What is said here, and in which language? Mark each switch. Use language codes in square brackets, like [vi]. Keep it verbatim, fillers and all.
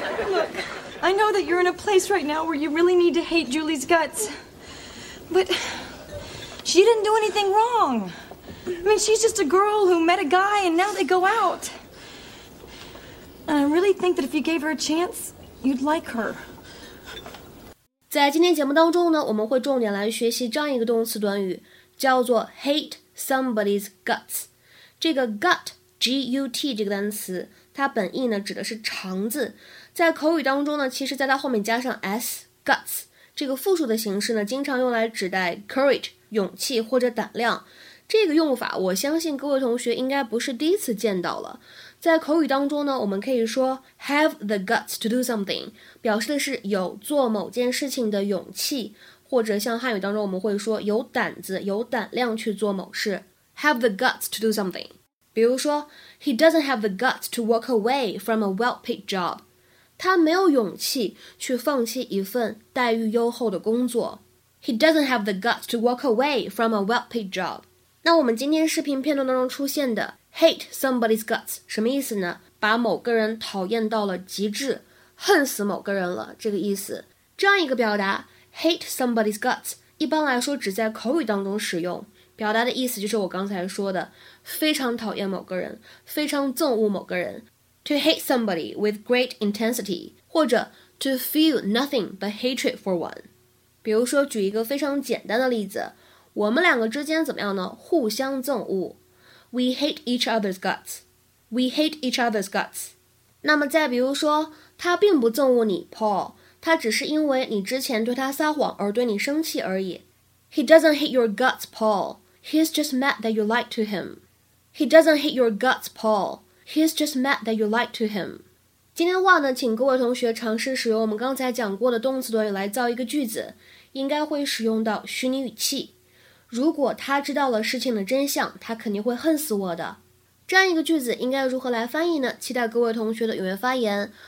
[en] Look, I know that you're in a place right now where you really need to hate Julie's guts. But she didn't do anything wrong. I mean, she's just a girl who met a guy and now they go out. And I really think that if you gave her a chance, you'd like her. [zh] 在今天节目当中呢，我们会重点来学习这样一个动词短语，叫做 [en] hate somebody's guts。 [zh] 这个 gut。 G U T 这个单词，它本意呢指的是肠子，在口语当中呢，其实在它后面加上 s guts 这个复数的形式呢，经常用来指代 courage 勇气或者胆量。这个用法，我相信各位同学应该不是第一次见到了。在口语当中呢，我们可以说 [en] have the guts to do something， [zh] 表示的是有做某件事情的勇气，或者像汉语当中我们会说有胆子、有胆量去做某事。 [en] Have the guts to do something。 [zh] 比如说 [en] He doesn't have the guts to walk away from a well-paid job. [zh] 他没有勇气去放弃一份待遇优厚的工作。 [en] He doesn't have the guts to walk away from a well-paid job. [zh] 那我们今天视频片段当中出现的 [en] hate somebody's guts [zh] 什么意思呢？把某个人讨厌到了极致，恨死某个人了，这个意思。这样一个表达 [en] hate somebody's guts [zh] 一般来说只在口语当中使用。表达的意思就是我刚才说的，非常讨厌某个人，非常憎恶某个人。 [en] To hate somebody with great intensity， [zh] 或者 [en] to feel nothing but hatred for one。 [zh] 比如说，举一个非常简单的例子，我们两个之间怎么样呢？互相憎恶。 [en] We hate each other's guts. We hate each other's guts. [zh] 那么再比如说，他并不憎恶你 ，Paul， 他只是因为你之前对他撒谎而对你生气而已。 [en] He doesn't hate your guts, Paul. He's just mad that you lied to him. He doesn't hate your guts, Paul. He's just mad that you lied to him. [zh] 今天的话呢，请各位同学尝试使用我们刚才讲过的动词短语来造一个句子，应该会使用到虚拟语气。如果他知道了事情的真相，他肯定会恨死我的。这样一个句子应该如何来翻译呢？期待各位同学的踊跃发言。